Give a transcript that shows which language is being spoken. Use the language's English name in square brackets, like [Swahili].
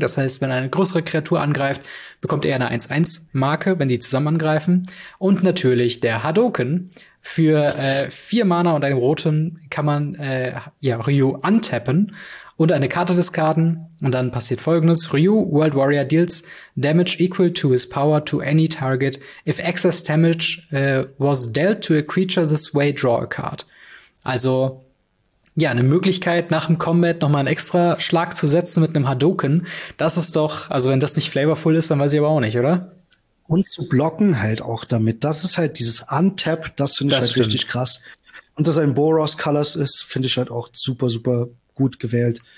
[German] Das heißt, wenn eine größere Kreatur angreift, bekommt er eine 1-1 Marke, wenn die zusammen angreifen. Und natürlich der Hadouken. Für 4 Mana und einen roten kann man Ryu untappen und eine Karte discarden. Und dann passiert Folgendes. [English] Ryu, World Warrior, deals damage equal to his power to any target. If excess damage was dealt to a creature this way, draw a card. [German] Also, ja, eine Möglichkeit, nach dem Combat noch mal einen extra Schlag zu setzen mit einem Hadouken. Das ist doch, also wenn das nicht flavorful ist, dann weiß ich aber auch nicht, oder? Und zu blocken halt auch damit. Das ist halt dieses Untap, das finde ich halt richtig krass. Und dass ein Boros Colors ist, finde ich halt auch super, super gut gewählt.